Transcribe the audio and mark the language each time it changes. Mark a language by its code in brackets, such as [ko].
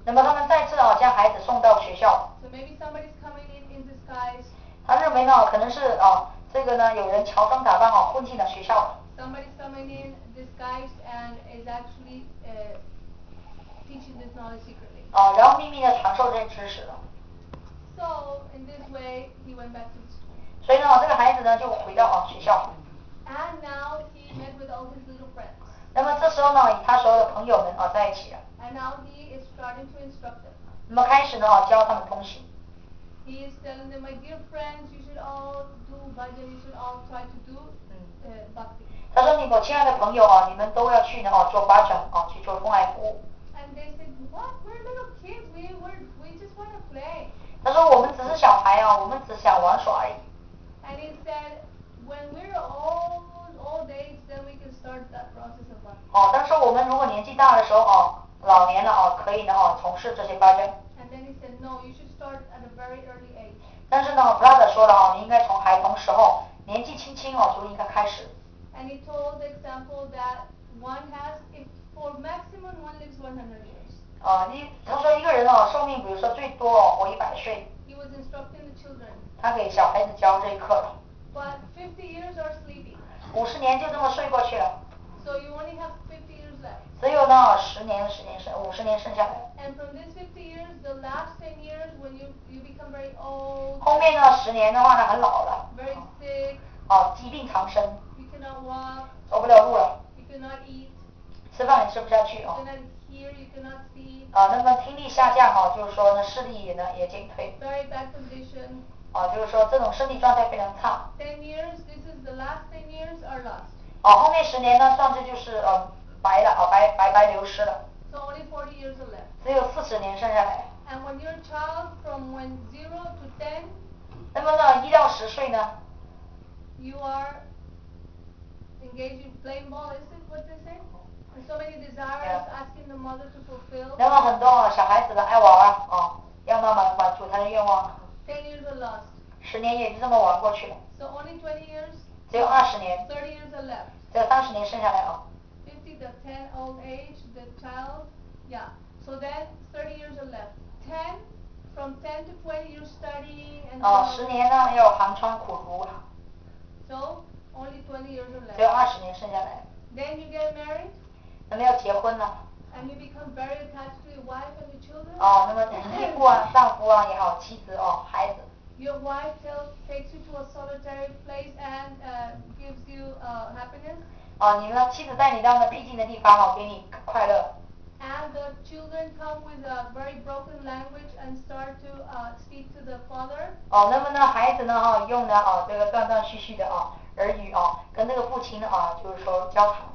[zh] 那么他们再次啊，将孩子送到学校。 [en] So maybe somebody's coming in disguise. [zh] 他认为呢，可能是啊，这个呢，有人乔装打扮啊，混进了学校。 [en] Somebody's coming in disguised and is actually teaching this knowledge secretly. [zh] 哦，然后秘密的传授这些知识了。 [en] So in this way, he went back to school. [zh] 所以呢，这个孩子呢就回到啊学校。 [en] And now he met with all his little friends. [zh] 那么这时候呢，与他所有的朋友们啊在一起了。 [en] And now he is starting to instruct them. [zh] 那么开始呢啊教他们东西。 [en] He is telling them, my dear friends, you should all do bhajan. You should all try to do bhakti. [zh] 他说你我亲爱的朋友啊，你们都要去呢啊做bhajan啊去做奉爱服务。 [en] And they said, "What? We're little kids. We just want to play." [zh] 他说我们只是小孩啊，我们只想玩耍而已。 [en] And he said, "When we're old age, then we can start that process of life." [zh] 哦，但是我们如果年纪大的时候哦，老年了哦，可以呢哦，从事这些八正。 [en] And then he said, "No, you should start at a very early age." [zh] 但是呢 ，brother 说了哦，你应该从孩童时候，年纪轻轻哦就应该开始。 [en] And he told the example that one has if. For maximum, one lives 100 years. [zh] 啊，他说一个人啊，寿命比如说最多活100岁。 [en] He was instructing the children. [zh] 他给小孩子教这一课了。 [en] But 50 years are sleeping. [zh] 50年就这么睡过去了。 [en] So you only have 50 years left. [zh] 只有到十年剩下来。 [en] And from these 50 years, the last 10 years, when you become very old. [zh] 后面的十年的话呢，很老了。 [en] Very sick. [zh] 哦，疾病缠身。 [en] You cannot walk. [zh] 走不了路了。 [en] You cannot eat. [zh] 吃饭也吃不下去哦。 [en] You cannot hear. You cannot see. [zh] 啊，那么听力下降哦，就是说呢，视力呢也减退。 [en] Very bad condition. [zh] 哦，就是说这种身体状态非常差。 [en] 10 years. This is the last 10 years are lost. [zh] 哦，后面十年呢，算是就是白了，哦，白流失了。 [en] So only 40 years are left. [zh] 只有四十年剩下来。 [en] And when you're a child from when 0 to 10, [zh] 那么呢，一到十岁呢？ [en] You are engaged in playing ball. Is it what they say? And so many desires, yeah. Asking the mother to fulfill. [zh] 那么很多小孩子的爱玩啊，哦，要妈妈满足他的愿望。 [en] 10 years are lost. [zh] 十年也就这么玩过去了。 [en] So only 20 years. [zh] 只有二十年。 [en] 30 years are left. [zh] 只有三十年剩下来啊。 [en] The 10 old age, the child, yeah. So then 30 years are left. 10, from 10 to 20, you're studying and so on. [zh] 十年呢，要寒窗苦读啊。 [en] So only 20 years are left. [zh] 只有二十年剩下来。 [en] Then you get married. [zh] 那么要结婚呢。 [en] And you become very attached to your wife and your children. [zh] 哦，那么义父啊，丈夫啊也好，妻子哦，孩子。 [en] Your wife takes you to a solitary place and gives you happiness. [zh] 哦，你的妻子带你到那僻静的地方，哦，给你快乐。 [en] And the children come with a very broken language and start to speak to the father. [zh] 哦，那么呢，孩子呢，哈，用的啊，这个断断续续的啊，耳语啊，跟那个父亲啊，就是说交谈。